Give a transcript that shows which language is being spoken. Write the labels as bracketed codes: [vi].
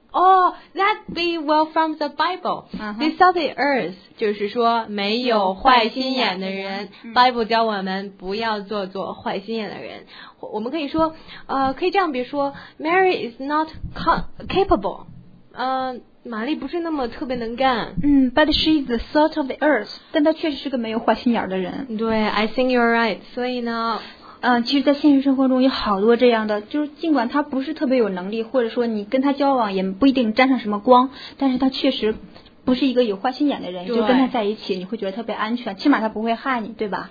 [en] Oh, that be well from the Bible. They saw the earth. [zh] 就是说没有坏心眼的人。 Bible 教我们不要做坏心眼的人。我们可以说可以这样比如说 [en] Mary is not capable. [zh] 玛丽不是那么特别能干。 [en] But she is the salt of the earth. [zh] 但她确实是个没有坏心眼的人。 [en] 对 I think you're right. [zh] 所以呢其实在现实生活中有好多这样的就是尽管他不是特别有能力或者说你跟他交往也不一定沾上什么光但是他确实不是一个有坏心眼的人就跟他在一起你会觉得特别安全起码他不会害你对吧